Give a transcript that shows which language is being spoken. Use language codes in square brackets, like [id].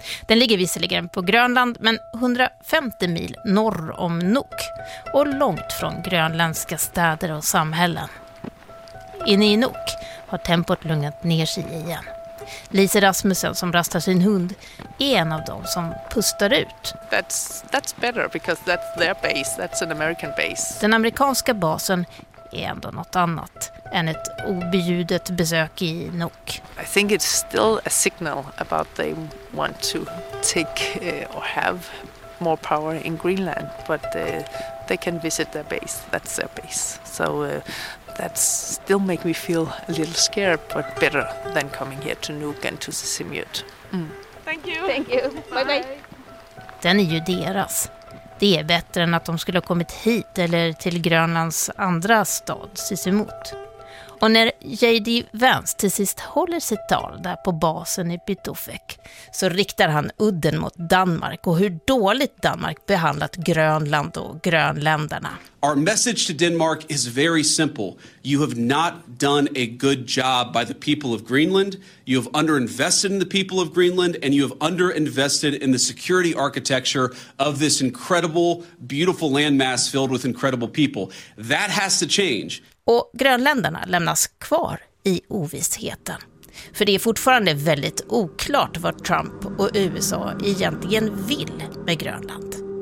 [sv] Den ligger visserligen på Grönland men 150 mil norr om Nuuk och långt från grönländska städer och samhällen. Inne i Nuuk har tempot lugnat ner sig igen. Lise Rasmussen som rastar sin hund är en av dem som pustar ut. [en] That's better because that's their base. That's an American base. [sv] Den amerikanska basen är ändå något annat än ett objudet besök i Nuuk. [en] I think it's still a signal about they want to take or have more power in Greenland, but they can visit their base. That's their base. So that still make me feel a little scared, but better than coming here to Nuuk and to Sisimiut. Thank you. Thank you. Bye bye. [sv] Den är ju deras. Det är bättre än att de skulle ha kommit hit eller till Grönlands andra stad, Sisimiut. Och när J.D. Vance till sist håller sitt tal där på basen i Pituffik så riktar han udden mot Danmark och hur dåligt Danmark behandlat Grönland och grönländerna. [en] Our message to Denmark is very simple. You have not done a good job by the people of Greenland. You have underinvested in the people of Greenland and you have underinvested in the security architecture of this incredible, beautiful landmass filled with incredible people. That has to change. [sv] Och grönländerna lämnas kvar i ovissheten. För det är fortfarande väldigt oklart vad Trump och USA egentligen vill med Grönland.